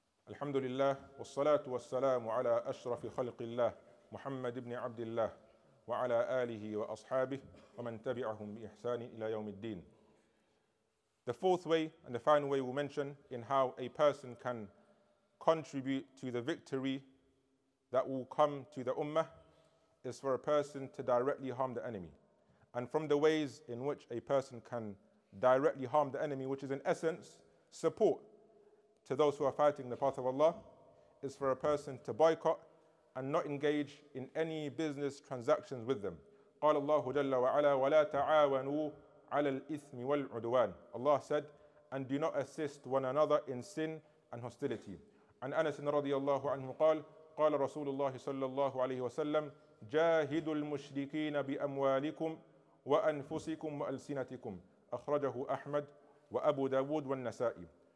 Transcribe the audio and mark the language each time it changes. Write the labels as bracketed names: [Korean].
[Arabic] الحمد لله والصلاة والسلام على أشرف خلق الله محمد بن عبد الله وعلى آله وأصحابه ومن تبعهم بإحسان إلى يوم الدين. [English] The fourth way and the final way we'll mention in how a person can contribute to the victory that will come to the ummah is for a person to directly harm the enemy. And from the ways in which a person can directly harm the enemy, which is in essence support to those who are fighting the path of Allah, is for a person to boycott and not engage in any business transactions with them. [Arabic] قال الله جل وعلا ولا تعاونوا على الإثم والعدوان. [English] Allah said, and do not assist one another in sin and hostility. [Arabic] عن أنس رضي الله عنه قال قال رسول الله صلى الله عليه وسلم جاهدوا المشركين بأموالكم وأنفسكم وألسنتكم. أخرجه أحمد وأبو داود والنسائي.